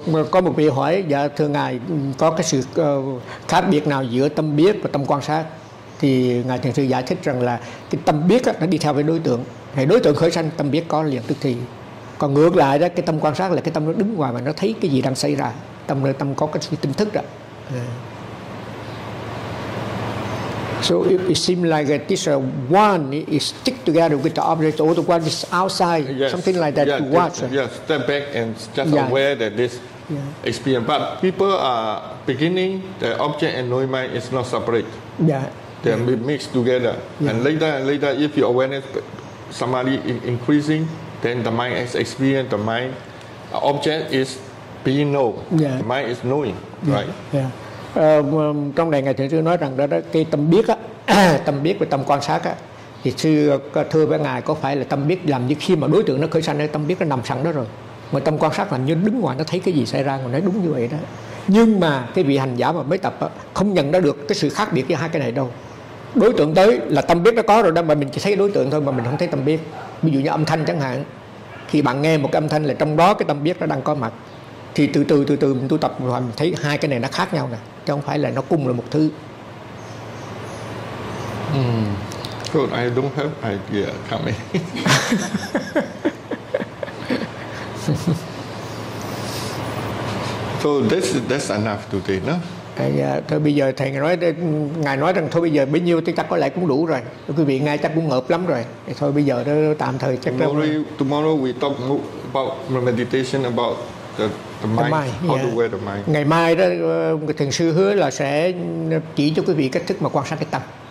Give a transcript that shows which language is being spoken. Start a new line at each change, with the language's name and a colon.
Vietnamese: Có một vị hỏi, dạ thưa ngài, có cái sự khác biệt nào giữa tâm biết và tâm quan sát? Thì ngài thiền sư giải thích rằng là cái tâm biết nó đi theo với đối tượng, thì đối tượng khởi sanh tâm biết có liền tức thì. Còn ngược lại đó, cái tâm quan sát là cái tâm nó đứng ngoài mà nó thấy cái gì đang xảy ra, tâm nơi tâm có cái sự tỉnh thức đó.
English: So it seems like this one is stick together with the object, or the one is outside, yes. Something like that. Yeah, to watch. Yes, step back and just yeah. aware that this yeah. experience. But people are beginning, the object and knowing mind is not separate. Yeah. They're yeah. mixed together. Yeah. And later, if your awareness somebody increasing, then the mind is experience, the mind object is being known. Yeah. The mind is knowing, yeah. right? Yeah.
Vietnamese: Trong này ngài thượng sư nói rằng đó cái tâm biết á, tâm biết và tâm quan sát á, thì sư thưa với ngài có phải là tâm biết làm như khi mà đối tượng nó khởi sanh, tâm biết nó nằm sẵn đó rồi, mà tâm quan sát là như đứng ngoài nó thấy cái gì xảy ra, mà nói đúng như vậy đó. Nhưng mà cái vị hành giả mà mới tập á, không nhận ra được cái sự khác biệt giữa hai cái này đâu. Đối tượng tới là tâm biết nó có rồi đó, mà mình chỉ thấy đối tượng thôi mà mình không thấy tâm biết. Ví dụ như âm thanh chẳng hạn, khi bạn nghe một cái âm thanh là trong đó cái tâm biết nó đang có mặt, thì từ từ mình tu tập rồi mình thấy hai cái này nó khác nhau nè, chứ không phải là nó cùng là một thứ.
English: So I don't have idea coming. So that's enough today, no?
Vietnamese: Thôi bây giờ thầy nói, ngài nói rằng thôi bây giờ bấy nhiêu thì chắc có lẽ cũng đủ rồi. Thôi quý vị ngài chắc cũng ngợp lắm rồi. Thôi bây giờ đó, tạm thời chắc là...
English: Tomorrow we talk about meditation, about the mind.
Vietnamese: Ngày mai đó thiền sư hứa là sẽ chỉ cho quý vị cách thức mà quan sát cái tâm.